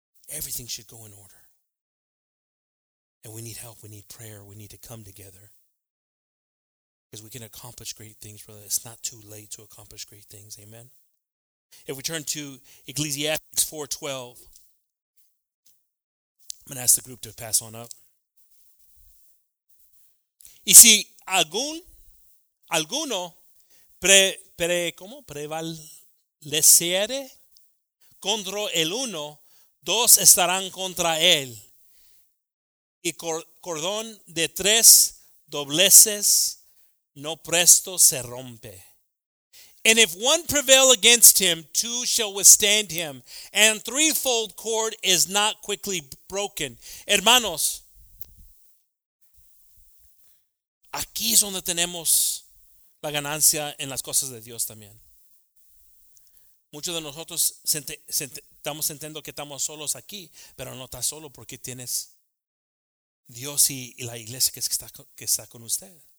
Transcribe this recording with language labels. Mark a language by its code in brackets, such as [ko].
[en] Everything should go in order. And we need help. We need prayer. We need to come together. Because we can accomplish great things, brother. It's not too late to accomplish great things. Amen? If we turn to Ecclesiastes 4:12, I'm going to ask the group to pass on up. [es] Y si alguno prevaleciere contra el uno, dos estarán contra él. Y cordón de tres dobleces no presto se rompe. [en] And if one prevail against him, two shall withstand him. And threefold cord is not quickly broken. [es] Hermanos, aquí es donde tenemos la ganancia en las cosas de Dios también. Muchos de nosotros estamos entendiendo que estamos solos aquí, pero no estás solo porque tienes Dios y la iglesia que está con usted.